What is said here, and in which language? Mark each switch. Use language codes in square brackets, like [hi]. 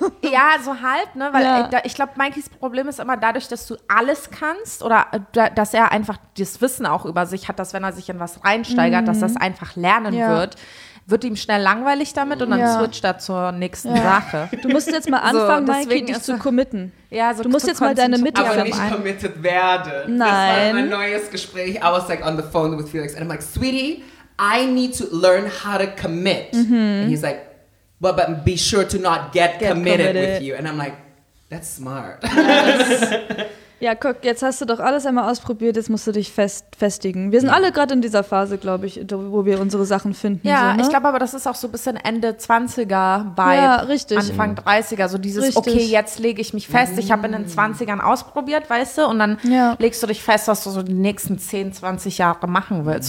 [de] Ja, so halt, ne, weil ich glaube, Mikeys Problem ist immer dadurch, dass du alles kannst oder dass er einfach das Wissen auch über sich hat, dass wenn er sich in was reinsteigert, dass das einfach lernen wird. Wird ihm schnell langweilig damit und dann switcht er zur nächsten Sache. Du musst jetzt mal anfangen, so, Mikey, dich zu committen. Ja, so du musst jetzt mal deine Mitte aber nicht ein. Committed werden. Nein. Das war mein neues Gespräch. [en] I was like on the phone with Felix and I'm like, sweetie, I need to learn how to commit. Mm-hmm. And he's like, but be sure to not get committed with you. And I'm like, that's smart. Yes. [de] Ja, guck, jetzt hast du doch alles einmal ausprobiert, jetzt musst du dich festigen. Wir sind alle gerade in dieser Phase, glaube ich, wo wir unsere Sachen finden. Ja, so, ne? Ich glaube aber, das ist auch so ein bisschen Ende 20er-Vibe. Ja, richtig. Anfang 30er, so dieses, richtig. Okay, jetzt lege ich mich fest. Ich habe in den 20ern ausprobiert, weißt du, und dann legst du dich fest, was du so die nächsten 10, 20 Jahre machen willst.